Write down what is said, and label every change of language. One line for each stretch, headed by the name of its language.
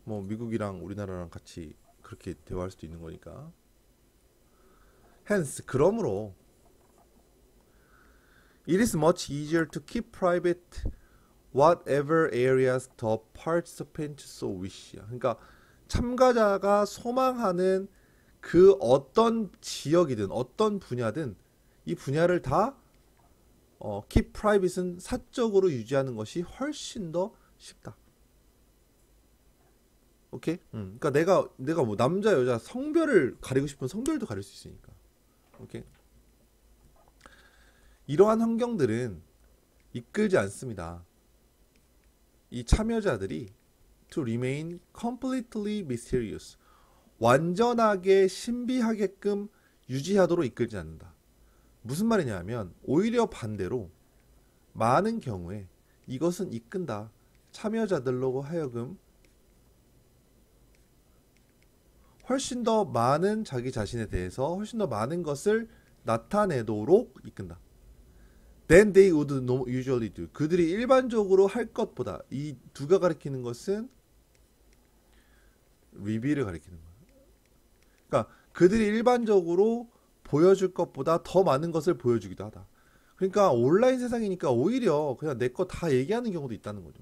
Korean: 뭐 미국이랑 우리나라랑 같이 그렇게 대화할 수도 있는 거니까.
English: Hence,
Korean: 그러므로
English: It is much easier to keep private whatever areas the participants so wish.
Korean: 그러니까 참가자가 소망하는 그 어떤 지역이든 어떤 분야든 이 분야를 다
English: keep private
Korean: 은 사적으로 유지하는 것이 훨씬 더 쉽다. 오케이? 그러니까 내가 뭐 남자 여자 성별을 가리고 싶으면 성별도 가릴 수 있으니까. 오케이? 이러한 환경들은 이끌지 않습니다. 이 참여자들이
English: To remain completely mysterious.
Korean: 완전하게 신비하게끔 유지하도록 이끌지 않는다. 무슨 말이냐 하면, 오히려 반대로, 많은 경우에 이것은 이끈다. 참여자들로 하여금 훨씬 더 많은 자기 자신에 대해서 훨씬 더 많은 것을 나타내도록 이끈다.
English: Than they would usually do.
Korean: 그들이 일반적으로 할 것보다 이 두가 가리키는 것은 리비를 가리키는 거야. 그러니까 그들이 일반적으로 보여줄 것보다 더 많은 것을 보여주기도 하다. 그러니까 온라인 세상이니까 오히려 그냥 내거다 얘기하는 경우도 있다는 거죠.